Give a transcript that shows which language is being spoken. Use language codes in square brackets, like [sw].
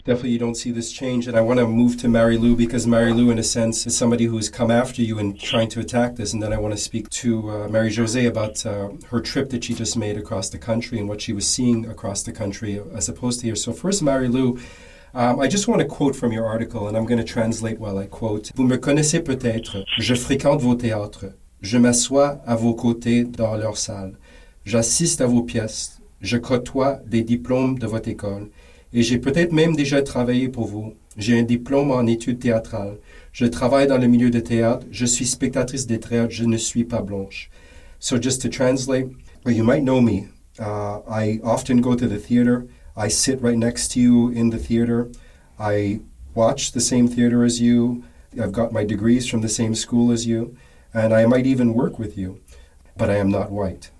[en] Definitely you don't see this change, and I want to move to Marilou, because Marilou, in a sense, is somebody who has come after you in trying to attack this, and then I want to speak to Marie Josée about her trip that she just made across the country and what she was seeing across the country as opposed to here. So first, Marilou, I just want to quote from your article, and I'm going to translate while I quote. [fr] Vous me connaissez peut-être. Je fréquente vos théâtres. Je m'assois à vos côtés dans leurs salles. J'assiste à vos pièces. Je côtoie des diplômes de votre école. Et j'ai peut-être même déjà travaillé pour vous. J'ai un diplôme en études théâtrales. Je travaille dans le milieu de théâtre. Je suis spectatrice de théâtre. Je ne suis pas blanche. [en] So just to translate, well, you might know me. I often go to the theater. I sit right next to you in the theater. I watch the same theater as you. I've got my degrees from the same school as you. And I might even work with you. But I am not white.